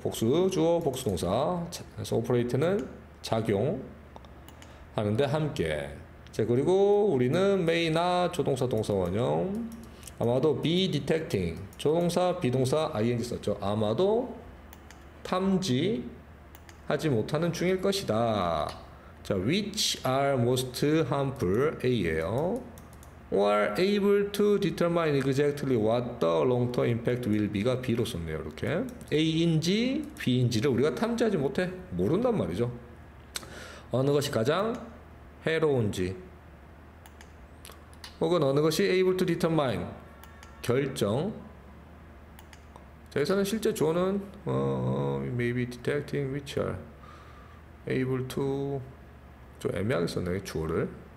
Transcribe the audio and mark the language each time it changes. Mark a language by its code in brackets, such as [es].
[ko] 복수 주어, 복수 동사. 그래서 operate는 작용하는데 함께. 자, 그리고 우리는 may나 조동사 동사 원형, 아마도 [en] be detecting, [ko] 조동사 비동사 ing 썼죠. 아마도 탐지하지 못하는 중일 것이다. [en] 자, which are most harmful, [ko] a예요. [en] or able to determine exactly what the long-term impact will be가 [ko] B로 썼네요. 이렇게 A인지 B인지를 우리가 탐지하지 못해 모른단 말이죠. 어느 것이 가장 해로운지, 혹은 어느 것이 [en] able to determine [ko] 결정. 여기서는 실제 조어는 [en] maybe detecting which are able to, [ko] 좀 애매하게 썼네 주어를.